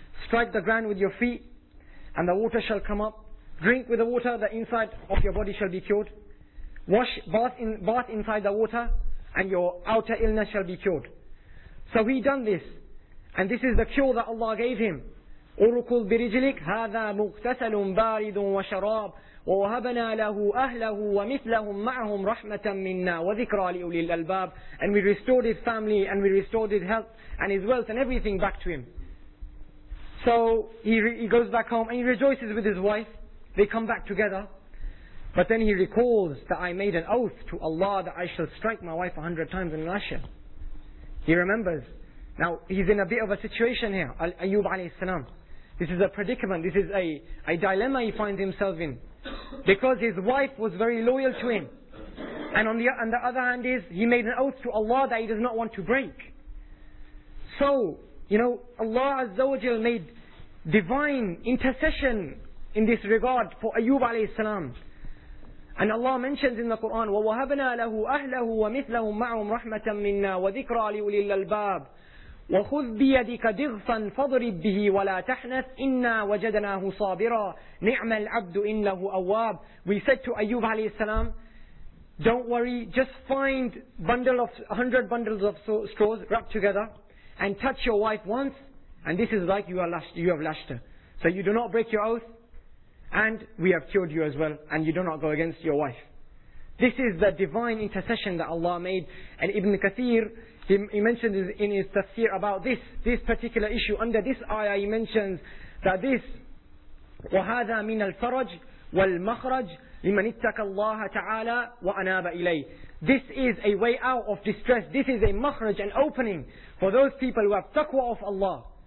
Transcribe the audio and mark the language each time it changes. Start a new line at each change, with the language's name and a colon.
English: Strike the ground with your feet, and the water shall come up. Drink with the water, the inside of your body shall be cured. Bath inside the water, and your outer illness shall be cured. So he done this, and this is the cure that Allah gave him.
Arabic: "Urkud bi rijlik, hadha mughtasalun baridun wa sharab." ووهبنا له أهله ومثلهم معهم رحمة منا وذكرى لأولي الألباب.
English: And we restored his family and we restored his health and his wealth and everything back to him. So he goes back home and he rejoices with his wife. They come back together. But then he recalls that I made an oath to Allah that I shall strike my wife 100 times and lash her. He remembers. Now he's in a bit of a situation here, Ayyub alayhi salam. This is a predicament, this is a dilemma he finds himself in. Because his wife was very loyal to him. And on the other hand is, he made an oath to Allah that he does not want to break. So, you know, Allah Azza wa Jal made divine intercession in this regard for Ayyub alayhi salam. And Allah mentions in the Quran,
Arabic: وَوَهَبْنَا لَهُ أَهْلَهُ وَمِثْلَهُمْ مَعُمْ رَحْمَةً مِنَّا وَذِكْرَى لِأُولِي الْأَلْبَابِ وَخُذْ بِيَدِكَ دِغْثًا فَضْرِبْ بِهِ وَلَا تَحْنَثْ إِنَّا وَجَدْنَاهُ صَابِرًا نِعْمَ الْعَبْدُ إِنَّهُ أَوَّابٌ.
English: We said to Ayyub alayhi salam, don't worry, just find a hundred bundles of straws wrapped together and touch your wife once, and this is like you have lashed her. So you do not break your oath, and we have cured you as well, and you do not go against your wife. This is the divine intercession that Allah made. And Ibn Kathir, he mentions in his tafsir about this particular issue. Under this ayah, he mentions that this,
Arabic: وَهَذَا مِنَ الْفَرَجِ وَالْمَخْرَجِ لِمَنِ اتَّكَ اللَّهَ تَعَالَى وَأَنَابَ إِلَيْهِ.
English: This is a way out of distress. This is a makhraj, an opening for those people who have taqwa of Allah.